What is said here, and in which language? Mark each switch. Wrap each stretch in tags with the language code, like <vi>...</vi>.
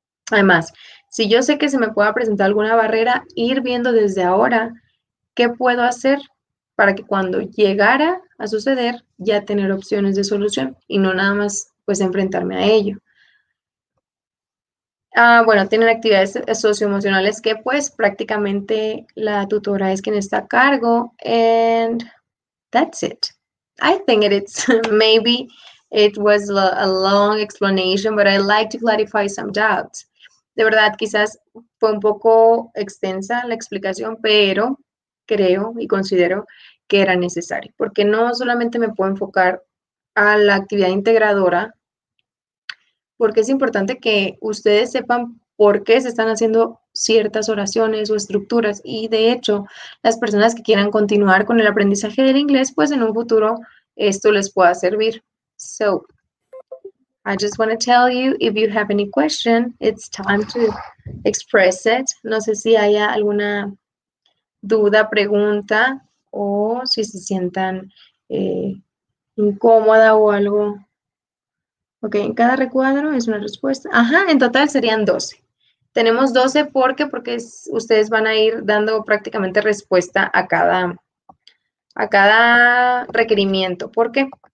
<es>Además, si yo sé que se me pueda presentar alguna barrera, ir viendo desde ahora qué puedo hacer para que cuando llegara a suceder, ya tener opciones de solución y no nada más pues enfrentarme a ello. Bueno, tienen actividades socioemocionales que, pues, prácticamente la tutora es quien está a cargo.</es> <en>And that's it. I think it's maybe it was a long explanation, but I'd like to clarify some doubts.</en> <es>De verdad, quizás fue un poco extensa la explicación, pero creo y considero que era necesario. Porque no solamente me puedo enfocar a la actividad integradora, porque es importante que ustedes sepan por qué se están haciendo ciertas oraciones o estructuras. Y de hecho, las personas que quieran continuar con el aprendizaje del inglés, pues en un futuro esto les pueda servir.</es> <en>So, I just want to tell you, if you have any question, it's time to express it.</en> <es>No sé si haya alguna duda, pregunta, o si se sientan incómoda o algo. Ok, en cada recuadro es una respuesta. Ajá, en total serían 12. Tenemos 12 porque ustedes van a ir dando prácticamente respuesta a cada requerimiento. ¿Por qué?</es>